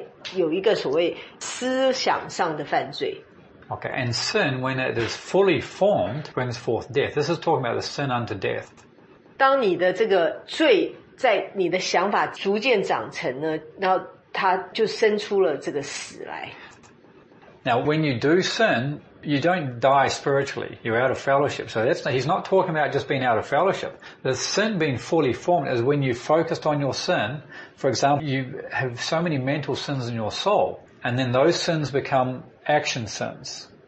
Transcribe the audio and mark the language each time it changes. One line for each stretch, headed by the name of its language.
Chinese: 也许你在行为上并没有去做这个事,但是因为你的思维上已经想要杀他,你就等于是在有一个所谓思想上的犯罪。
English: Okay, and sin, when it is fully formed, brings forth death. This is talking about the sin unto death.
Chinese: 当你的这个罪在你的想法逐渐长成呢,然后它就生出了这个死来。
English: Now, when you do sin, you don't die spiritually. You're out of fellowship. So he's not talking about just being out of fellowship. The sin being fully formed is when you focused on your sin. For example, you have so many mental sins in your soul, and then those sins become action sins.